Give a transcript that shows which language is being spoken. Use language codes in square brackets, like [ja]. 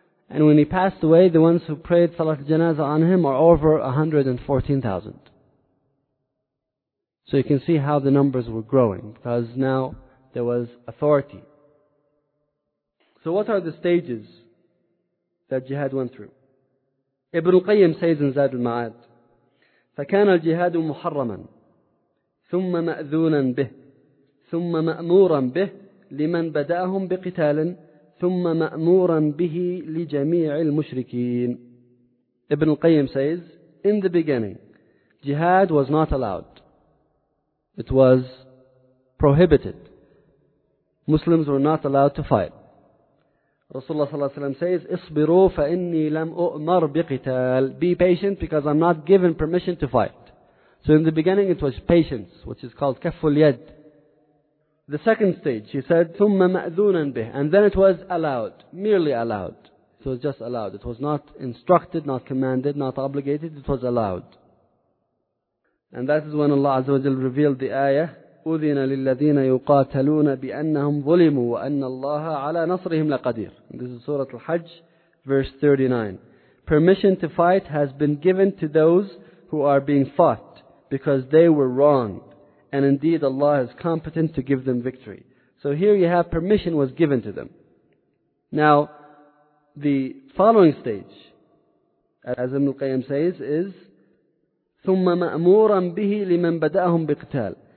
[en] And when he passed away, the ones who prayed Salat al-Janazah on him are over 114,000. So you can see how the numbers were growing, because now there was authority. So what are the stages that jihad went through? Ibn al-Qayyim says in Zad al-Ma'ad, [ar] فَكَانَ الْجِهَادُ مُحَرَّمًا ثُمَّ مَأْذُونًا بِهِ ثُمَّ مَأْمُورًا بِهِ لِمَنْ بَدَأَهُمْ بِقِتَالٍ ثُمَّ مَأْمُورًا بِهِ لِجَمِيعِ الْمُشْرِكِينَ. [en] Ibn al-Qayyim says, in the beginning, jihad was not allowed. It was prohibited. Muslims were not allowed to fight. [ar] Rasulullah صلى الله عليه وسلم says, اصبروا فإني لم أؤمر بقتال. [en] Be patient because I'm not given permission to fight. So in the beginning it was patience, which is called كف اليد. The second stage, he said, [ar] ثم مأذونا به. [en] And then it was allowed, merely allowed. It was just allowed. It was not instructed, not commanded, not obligated. It was allowed. And that is when Allah عز وجل revealed the ayah, [ar] أذن للذين يقاتلون بأنهم ظلموا وأن الله على نصرهم لقدير. [en] This is Surah Al-Hajj, verse 39. Permission to fight has been given to those who are being fought because they were wronged. And indeed Allah is competent to give them victory. So here you have permission was given to them. Now, the following stage, as Ibn al-Qayyim says, is [ar] ثُمَّ مَأْمُورًا بِهِ لِمَنْ بَدَأَهُمْ بِقْتَالٍ.